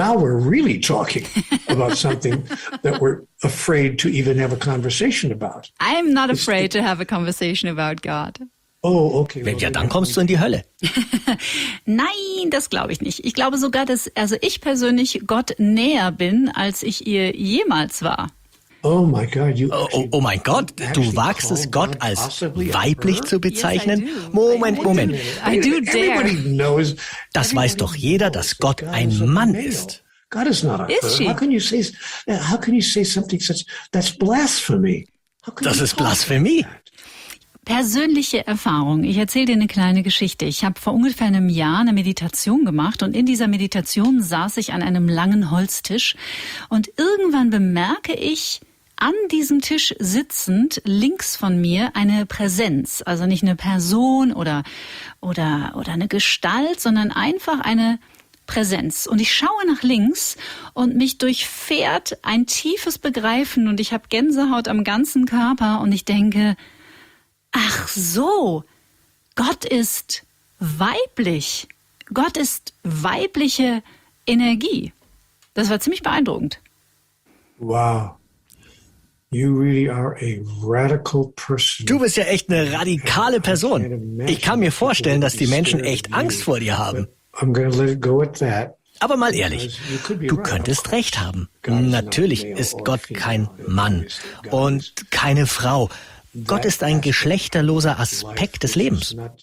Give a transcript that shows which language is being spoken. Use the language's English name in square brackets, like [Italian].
[English] Now we're really talking about something that we're afraid to even have a conversation about. I'm not afraid to have a conversation about God. Oh, okay. [German] Well, ja, dann kommst du in die Hölle. Nein, das glaube ich nicht. Ich glaube sogar, dass also ich persönlich Gott näher bin, als ich ihr jemals war. Oh mein Gott, oh mein Gott, du wagst es, Gott als weiblich zu bezeichnen? [English] Yes, [German] Moment. [English] Everybody knows. [German] Das weiß doch jeder, dass Gott ein Mann ist. [English] God is not a is she? How can you say something such that's blasphemy? [German] Das ist Blasphemie. Persönliche Erfahrung. Ich erzähle dir eine kleine Geschichte. Ich habe vor ungefähr einem Jahr eine Meditation gemacht und in dieser Meditation saß ich an einem langen Holztisch und irgendwann bemerke ich an diesem Tisch sitzend links von mir eine Präsenz, also nicht eine Person oder eine Gestalt, sondern einfach eine Präsenz. Und ich schaue nach links und mich durchfährt ein tiefes Begreifen und ich habe Gänsehaut am ganzen Körper und ich denke: Ach so, Gott ist weiblich. Gott ist weibliche Energie. Das war ziemlich beeindruckend. Wow. [English] You really are a radical person. [German] Du bist ja echt eine radikale Person. Ich kann mir vorstellen, dass die Menschen echt Angst vor dir haben. [English] I'm gonna let go at that. [German] Aber mal ehrlich, du könntest recht haben. Natürlich ist Gott kein Mann und keine Frau. Gott ist ein geschlechterloser Aspekt des Lebens.